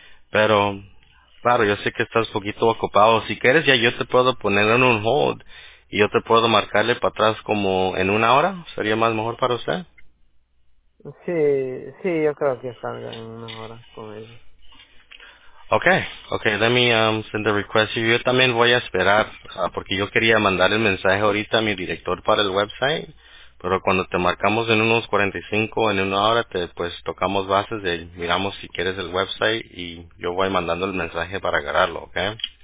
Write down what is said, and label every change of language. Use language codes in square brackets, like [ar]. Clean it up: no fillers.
[es] Pero, claro, yo sé que estás un poquito ocupado, si quieres ya yo te puedo poner en un hold, y yo te puedo marcarle para atrás como en una hora, ¿sería más mejor para usted? Sí, yo creo que salga en una hora con él. [en] Okay, let me send the request. [es] Yo también voy a esperar, porque yo quería mandar el mensaje ahorita a mi director para el website, pero cuando te marcamos en unos 45, en una hora, te pues tocamos bases y miramos si quieres el website y yo voy mandando el mensaje para agarrarlo, ¿okay?